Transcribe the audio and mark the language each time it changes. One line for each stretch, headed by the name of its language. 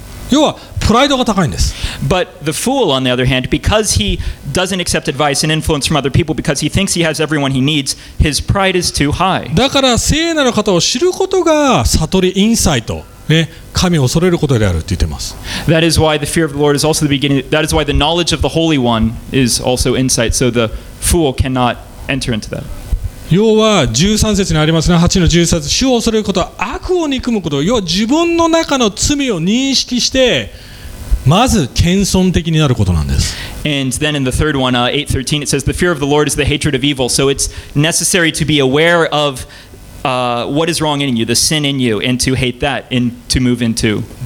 English: But the fool, on the other hand, because he doesn't accept advice and influence from other people, because he thinks he has everyone he needs, his pride is too high. That is why the fear of the Lord is also the beginning. That is why the knowledge of the Holy One is also insight, so the fool cannot enter into that.
Japanese: 要は13節にありますね、8の13節、主を恐れることは悪を憎むこと、要は自分の中の罪を認識して、まず謙遜的になることなんです。
English: And then in the third one, 8:13, it says, the fear of the Lord is the hatred of evil. So it's necessary to be aware of what is wrong in you, the sin in you, and to hate that, and to move into.